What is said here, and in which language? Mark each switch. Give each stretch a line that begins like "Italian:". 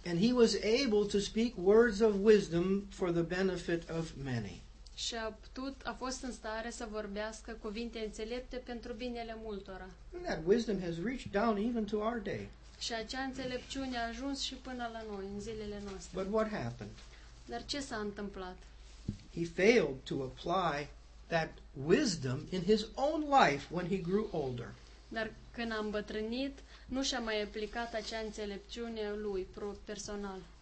English: And he was able to speak words of wisdom for the benefit of many.
Romanian: Și a fost în stare să vorbească cuvinte înțelepte pentru binele multora.
English: And that wisdom has reached down even to our day.
Romanian: Și acea înțelepciune a ajuns și până la noi, în zilele noastre.
English: But what happened?
Romanian: Dar ce s-a întâmplat?
English: He failed to apply that wisdom in his own life when he grew older.
Romanian: Dar când a îmbătrânit, nu și-a mai aplicat acea înțelepciune lui, personal.